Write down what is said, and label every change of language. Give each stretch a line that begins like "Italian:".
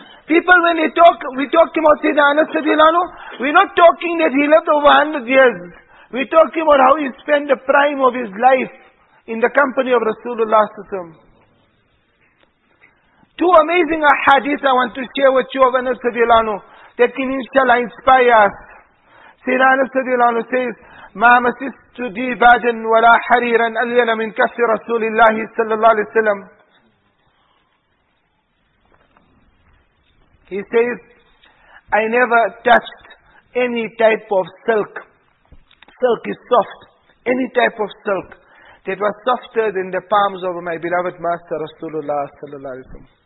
English: People, when they talk, we talk about Sayyidina Anas radiallahu anhu, we're not talking that he lived over 100 years. We're talking about how he spent the prime of his life in the company of Rasulullah sallallahu alaihi wasallam. Two amazing hadith I want to share with you of Anas radiallahu anhu. That can inshallah inspire us. Sayyidina Anas radiallahu anhu says,
Arabic: مَا مَسِسْتُ دِيبَاجًا وَلَا حَرِيرًا أَلْيَنَ مِنْ كَفِّ رَسُولِ اللَّهِ صَلَّى اللَّهِ وَسَلَّمْ.
English: He says, I never touched any type of silk. Silk is soft. Any type of silk that was softer than the palms of my beloved master Rasulullah صَلَّى اللَّهِ وَسَلَّمْ.